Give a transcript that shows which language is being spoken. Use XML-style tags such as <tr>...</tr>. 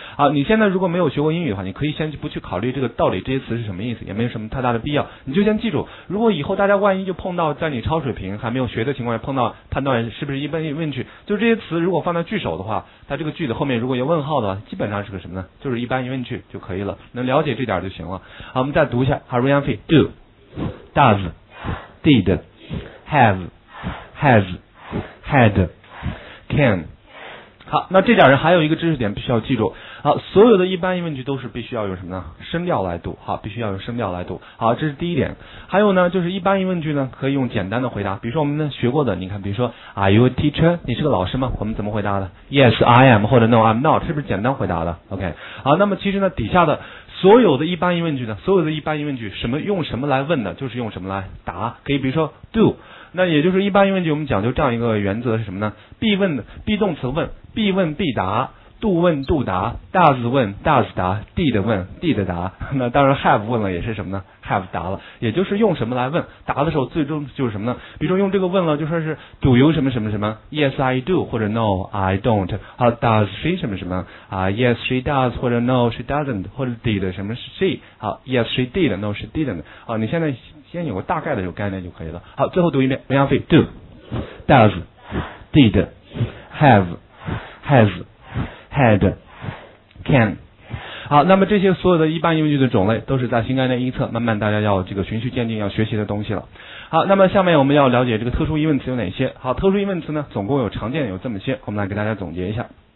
<zh>好，你现在如果没有学过英语的话，你可以先不去考虑这个到底这些词是什么意思，也没有什么太大的必要。你就先记住，如果以后大家万一就碰到在你超水平还没有学的情况下碰到判断是不是一般问句，就这些词如果放在句首的话，它这个句子后面如果有问号的话，基本上是个什么呢，就是一般疑问句就可以了，能了解这点就行了。好，我们再读一下</zh> <en>Harry Anfi, do, does, did, have,has, had, can.</en> <zh>好，那这点人还有一个知识点必须要记住。好，所有的一般疑问句都是必须要用什么呢，声调来读。好，必须要用声调来读。好，这是第一点。还有呢就是一般疑问句呢可以用简单的回答，比如说我们呢学过的，你看比如说</zh> <en>Are you a teacher?</en> <zh>你是个老师吗？我们怎么回答的？</zh> <en>Yes, I am,</en> <zh>或者</zh> <en>No, I'm not,</en> <zh>是不是简单回答的？ OK, 好，那么其实呢底下的所有的一般疑问句呢，所有的一般疑问句什么用什么来问的，就是用什么来答。可以比如说 do, 那也就是一般疑问句我们讲究这样一个原则是什么呢， be 问的 be 动词问， be 问必答， do 问 do 答， does 问 does 答， did 问 did 答，那当然 have 问了也是什么呢， have 答了，也就是用什么来问，答的时候最终就是什么呢，比如说用这个问了就说是 do you 什么什么什么，</zh> <en>yes I do,</en> <zh>或者</zh> <en>no I don't,</en> <zh>does she 什么什么</zh> <en>yes she does,</en> <zh>或者</zh> <en>no she doesn't,</en> <zh>或者 did 什么 she,</zh> <en>yes she did, no she didn't,</en> <zh>你现在先有个大概的有概念就可以了。好，最后读一遍</zh> <en>,we have it, do, does, did, have, has, had, can.</en> <zh>好，那么这些所有的一般疑问句的种类都是在新概念一册慢慢大家要这个循序渐进要学习的东西了。好，那么下面我们要了解这个特殊疑问词有哪些。好，特殊疑问词呢总共有常见有这么些，我们来给大家总结一下。</zh>